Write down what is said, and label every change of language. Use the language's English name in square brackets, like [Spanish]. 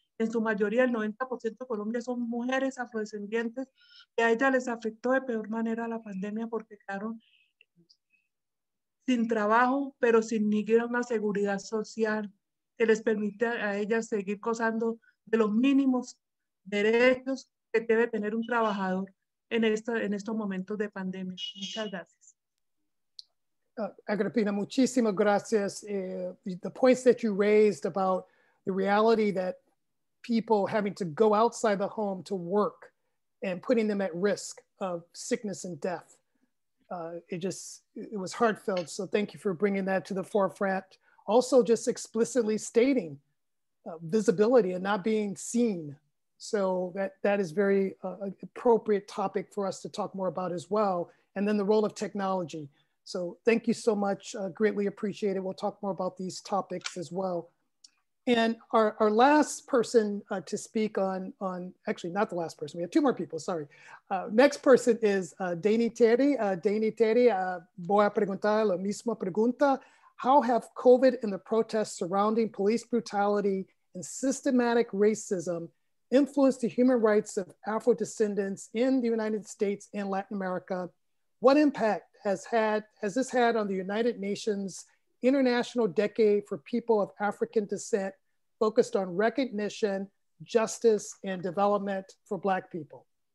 [Spanish] En su mayoría, el 90% de Colombia son mujeres afrodescendientes, y a ellas les afectó de peor manera la pandemia porque quedaron sin trabajo, pero sin ni siquiera una seguridad social que les permite a ellas seguir gozando de los mínimos derechos que debe tener un trabajador en estos momentos de pandemia. Muchas gracias. Agripina, muchísimas gracias. [English] The points that you raised about the reality that people having to go outside the home to work and putting them at risk of sickness and death. It was heartfelt. So thank you for bringing that to the forefront. Also just explicitly stating visibility and not being seen. So that is very appropriate topic for us to talk more about as well. And then the role of technology. So thank you so much, greatly appreciate it. We'll talk more about these topics as well. And our last person to speak on, actually not the last person, we have two more people, sorry. Next person is Dani Terry. [Spanish] Dani Terry, voy a preguntar la misma pregunta. [English] How have COVID and the protests surrounding police brutality and systematic racism influenced the human rights of Afro descendants in the United States and Latin America? What impact has this had on the United Nations International Decade for People of African Descent, focused on recognition, justice, and development for Black people?